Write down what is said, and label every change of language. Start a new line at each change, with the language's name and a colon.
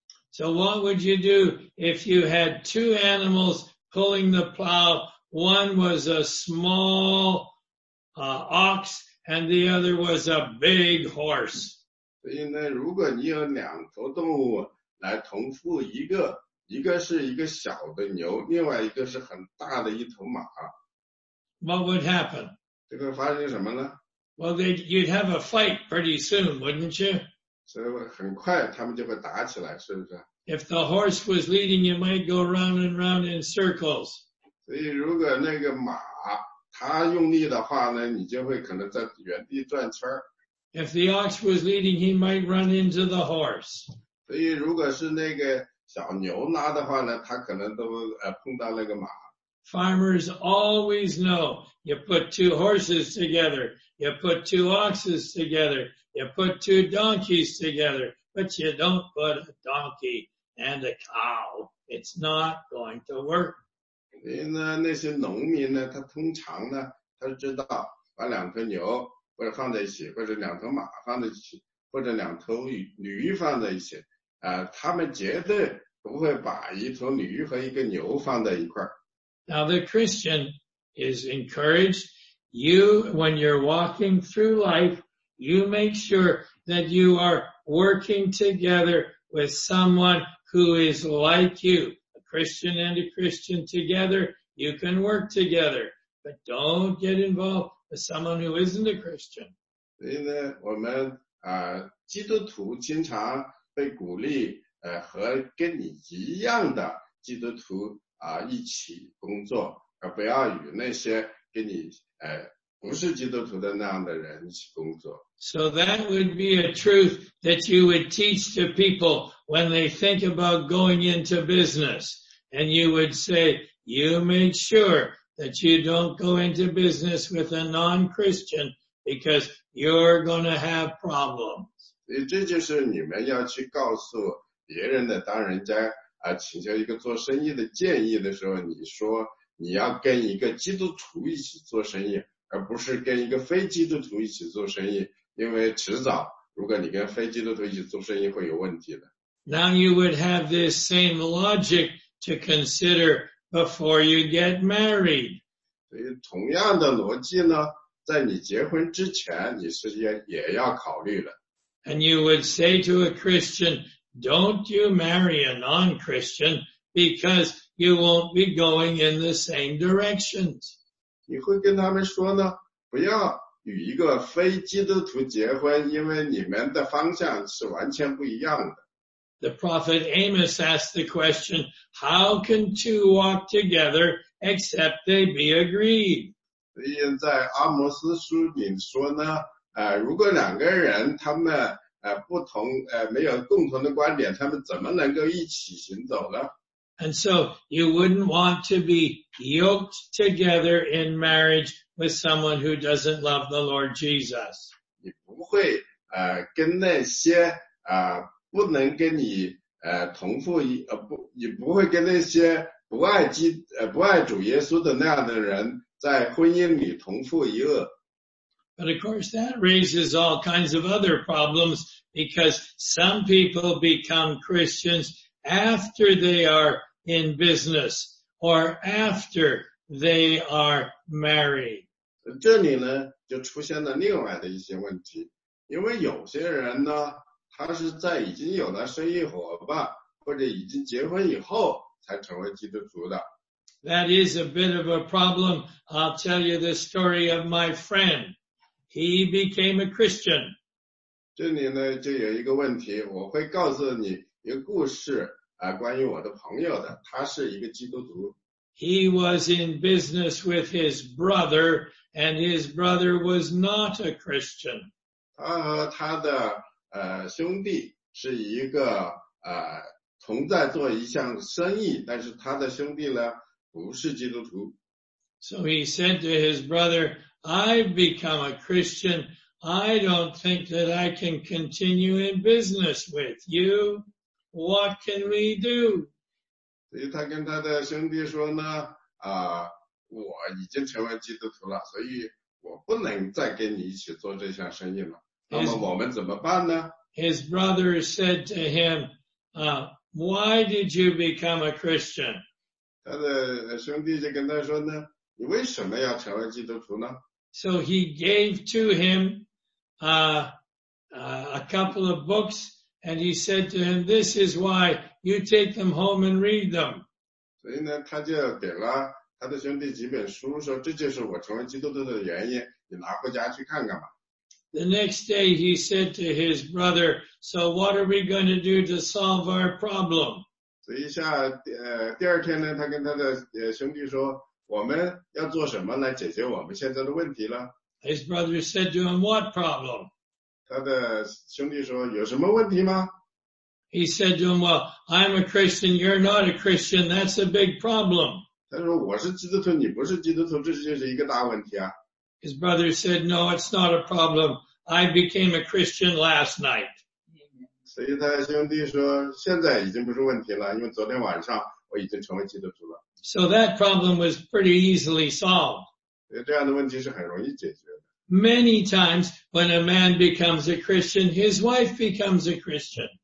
English: So what would you do if you had two animals pulling the plow? One was a small ox and the other was a big horse.
Chinese: 所以呢，如果你有两头动物来同负一个，一个是一个小的牛，另外一个是很大的一头马。
English: What would happen?
Chinese: 这个发生什么呢？
English: Well, you'd have a fight pretty soon, wouldn't you?
Chinese: 所以很快他们就会打起来，是不是？
English: If the horse was leading, you might go round and round in circles.
Chinese: 所以如果那个马它用力的话呢，你就会可能在原地转圈。
English: If the ox was leading, he might run into the horse.
Chinese: 所以如果是那个小牛拉的话呢，它可能都碰到那个马。
English: Farmers always know, you put two horses together, you put two oxes together, you put two donkeys together, but you don't put a donkey and a cow. It's not going to work.
Chinese: 那些农民呢，他通常呢，他知道把两头牛或者放在一起，或者两头马放在一起，或者两头驴放在一起，他们绝对不会把一头驴和一个牛放在一块。
English: Now the Christian is encouraged, you, when you're walking through life, you make sure that you are working together with someone who is like you. A Christian and a Christian together, you can work together. But don't get involved with someone who isn't a Christian.
Chinese: 所以呢，我们基督徒经常被鼓励和跟你一样的基督徒一起工作，而不要与那些跟你不是基督徒的那样的人一起工作。
English: So that would be a truth that you would teach to people when they think about going into business. And you would say, you make sure that you don't go into business with a non-Christian because you're going to have problems.
Chinese: 所以这就是你们要去告诉别人的，当人家请求一个做生意的建议的时候，你说你要跟一个基督徒一起做生意，而不是跟一个非基督徒一起做生意，因为迟早如果你跟非基督徒一起做生意会有问题的。
English: Now you would have this same logic to consider before you get married.
Chinese: 所以同样的逻辑呢，在你结婚之前你是也要考虑的。
English: And you would say to a Christian,Don't you marry a non-Christian because you won't be going in the same directions.
Chinese: 你会跟他们说呢，不要与一个非基督徒结婚，因为你们的方向是完全不一样的。
English: The prophet Amos asked the question, how can two walk together except they be agreed?
Chinese: 所以在阿摩斯书里说呢，如果两个人他们不同没有共同的观点，他们怎么能够一起行走呢？
English: And so you wouldn't want to be yoked together in marriage with someone who doesn't love the Lord Jesus.
Chinese: 你不会跟那些不能跟你同父你不会跟那些不爱主耶稣的那样的人在婚姻里同父一轭。
English: But of course that raises all kinds of other problems because some people become Christians after they are in business or after they are married.
Chinese: 这里呢就出现了另外的一些问题，因为有些人呢他是在已经有了生意伙伴或者已经结婚以后才成为基督徒的。
English: That is a bit of a problem. I'll tell you the story of my friend. He became a Christian.
Chinese: 这里呢就有一个问题，我会告诉你一个故事关于我的朋友的，他是一个基督徒。
English: He was in business with his brother, and his brother was not a Christian.
Chinese: 他和他的兄弟是一个同在做一项生意，但是他的兄弟呢不是基督徒。
English: So he said to his brother, I've become a Christian. I don't think that I can continue in business with you. What can we do?
Chinese: 所以他跟他的兄弟说呢我已经成为基督徒了，所以我不能再跟你一起做这项生意了。那么我们怎么办呢？
English: His brother said to him, why did you become a Christian?
Chinese: 他的兄弟就跟他说呢，你为什么要成为基督徒呢？
English: So he gave to him, a couple of books, and he said to him, this is why you take them home and read them.
Chinese: 所以呢，他就给了他的兄弟几本书，说这就是我成为基督徒的原因，你拿回家去看看吧。
English: The next day he said to his brother, so what are we going to do to solve our problem?
Chinese: 所以下第二天呢他跟他的兄弟说，我们要做什么来解决我们现在的问题了？
English: His brother said to him, what problem?
Chinese: 他的兄弟说，有什么问题吗？
English: He said to him, well, I'm a Christian, you're not a Christian, that's a big problem.
Chinese: 他说，我是基督徒，你不是基督徒，这就是一个大问题啊。
English: His brother said, no, it's not a problem. I became a Christian last night.
Chinese: 所以他兄弟说，现在已经不是问题了，因为昨天晚上我已经成为基督徒了。
English: So that problem was pretty easily solved.
Chinese: 所以这样的问题是很容易解决的。
English: Many times when a man becomes a Christian, his wife becomes a Christian.